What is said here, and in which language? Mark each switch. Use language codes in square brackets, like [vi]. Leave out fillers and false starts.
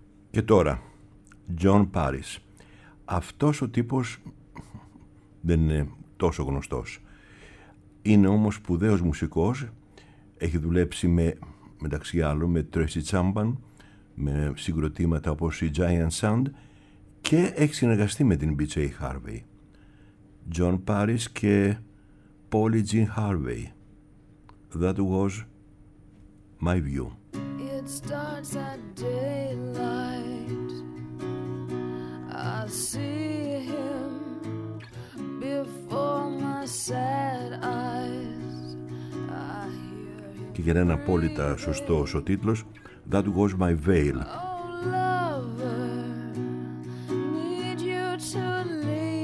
[el] Και τώρα, John Parish. Αυτός ο τύπος δεν είναι τόσο γνωστός. Είναι όμως σπουδαίος μουσικός. Έχει δουλέψει μεταξύ άλλων με Tracy Chapman, με συγκροτήματα όπως η Giant Sand, και έχει συνεργαστεί με την BJ Harvey. John Parish και Polly Jean Harvey. [en] That was my view. It starts at daylight. I see him before my sad eyes. [el] Και για ένα απόλυτα σωστό ο τίτλος, That was my veil. [en] Oh, lover, need you to leave.